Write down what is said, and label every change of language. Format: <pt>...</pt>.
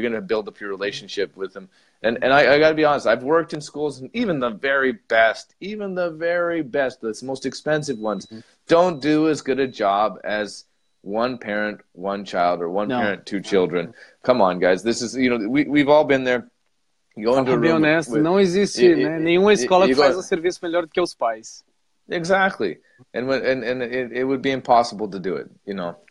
<en>You're going to build up your relationship with them. And I got to be honest, I've worked in schools, and even the very best, the most expensive ones, don't do as good a job as one parent, one child, or one parent, two children. Come on, guys. This is, you know, we've all been there. Going to be honest,</en> <pt>não existe, né? Nenhuma escola que faz o serviço melhor do que os pais.</pt> <en>Exactly. And it would be impossible to do it, you know.</en>